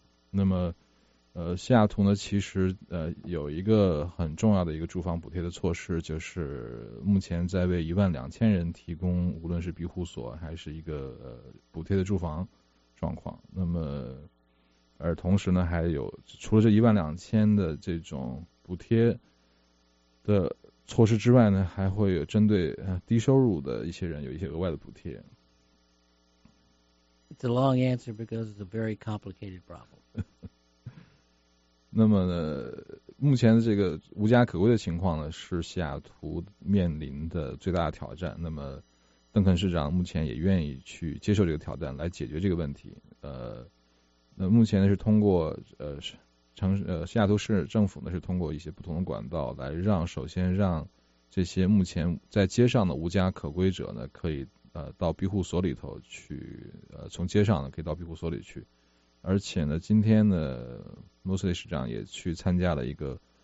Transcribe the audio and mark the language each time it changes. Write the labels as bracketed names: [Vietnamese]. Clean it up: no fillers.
[Chinese] 那么西雅图呢其实有一个很重要的一个住房补贴的措施，就是目前在为12000人提供无论是庇护所还是一个补贴的住房状况。那么而同时呢还有除了这12000的这种补贴的措施之外呢，还会有针对低收入的一些人有一些额外的补贴。 [English] It's a long answer because it's a very complicated problem. [Chinese] 那么呢，目前的这个无家可归的情况呢，是西雅图面临的最大的挑战。那么，邓肯市长目前也愿意去接受这个挑战，来解决这个问题。那目前呢是通过西雅图市政府呢是通过一些不同的管道来让这些目前在街上的无家可归者呢可以到庇护所里头去从街上呢可以到庇护所里去，而且呢今天呢穆斯利市长也去参加了一个